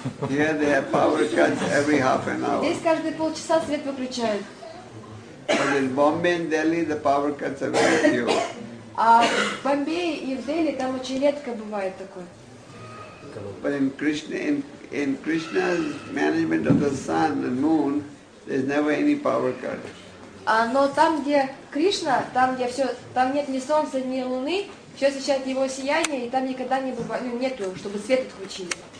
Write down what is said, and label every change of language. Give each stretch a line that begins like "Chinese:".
English: Here they have power cuts every half an hour.
Russian: Здесь каждые полчаса свет выключают.
English: But in Bombay and Delhi the power cuts are very few.
Russian: А в Бомбее и в Дели там очень редко бывает такое.
English: But in Krishna's management of the sun and moon there's never any power cut.
Russian: А но там где Кришна, там где все, там нет ни солнца, ни луны. Все освещает его сияние, и там никогда не бывает, ну, нету, чтобы свет отключили.